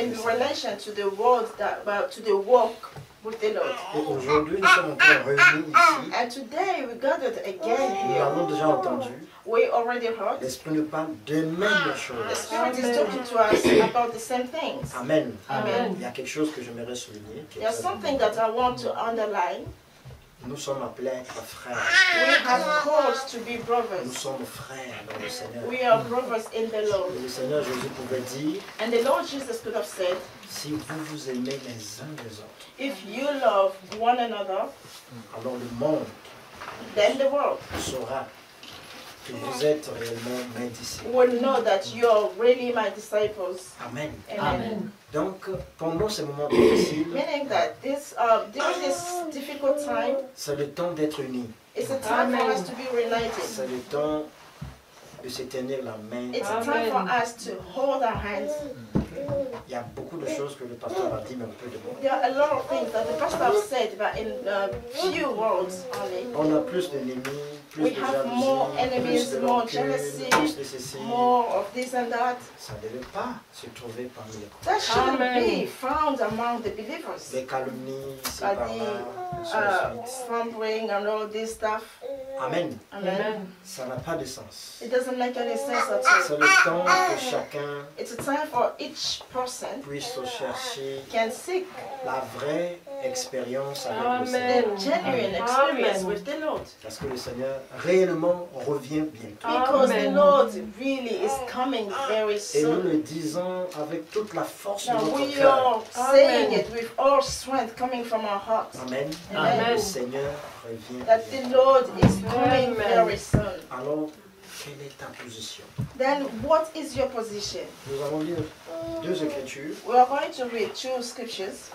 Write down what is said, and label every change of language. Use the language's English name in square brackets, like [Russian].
[English] In relation to the words that about to the walk with the Lord. [French] Et aujourd'hui nous sommes encore réunis ici. [English] And today we gathered again. [French] Nous l'avons déjà entendu. [English] We already heard. [French] L'Esprit nous parle des mêmes choses. [English] The Spirit is talking to us about the same things. [French] Amen. [English] Amen. [French] Il y a quelque chose que j'aimerais souligner. [English] There's something that I want to underline. [French] Nous sommes appelés à frères. [English] We are called to be brothers. [French] Nous sommes frères dans le Seigneur. [English] We are brothers in the Lord. [French] Et le Seigneur Jésus pouvait dire. [English] And the Lord Jesus could have said. [French] Si vous vous aimez les uns les autres. [English] If you love one another. [French] Alors le monde. [English] Then the world. [French] Saura que vous êtes réellement mes disciples. [English] Will know that you are really my disciples. [French] Amen. [English] Amen. Amen. [French] Donc, pendant ces moments difficiles, [English] meaning that this during this difficult time, [French] c'est le temps d'être unis. [English] It's a time for us to be reunited. [French] C'est le temps de se tenir la main. [English] It's a time for us to hold our hands. [French] Il y a beaucoup de choses que le pasteur a dit, mais un peu de moi. [English] There are a lot of things that the pastor has said, but in a few words only. [French] On a plus d'ennemis, plus [English] we [French] de jalousie, [English] have more enemies, [French] plus de [English] more jealousy, [French] plus de ceci. [English] More of this and that. [French] Ça ne devait pas se trouver parmi les croyants. [English] That shouldn't Amen. Be found among the believers. [French] Les calomnies, [English] slandering and all this stuff. [French] Amen. [English] Amen. [French] Ça n'a pas de sens. [English] It doesn't make any sense at all. [French] C'est le temps que chacun. [English] It's a time for each person. [French] Puisse chercher. [English] Can seek. [French] La vraie expérience avec [English] Amen. [French] Le Seigneur. [English] The genuine Amen. Experience Amen. With the Lord. [French] Parce que le Seigneur réellement revient bientôt. [English] Because Amen. The Lord really is coming very soon. [French] Et nous le disons avec toute la force [English] Now, [French] de notre cœur. [English] We are [French] cœur. [English] Saying Amen. It with all strength coming from our hearts. [French] Amen. [English] Amen. [French] Le Seigneur revient. [English] That the Lord is coming Amen. Very soon. [French] Alors, quelle est ta position? [English] Then what is your position? [French] Nous allons lire deux écritures. [English] We are going to read two scriptures.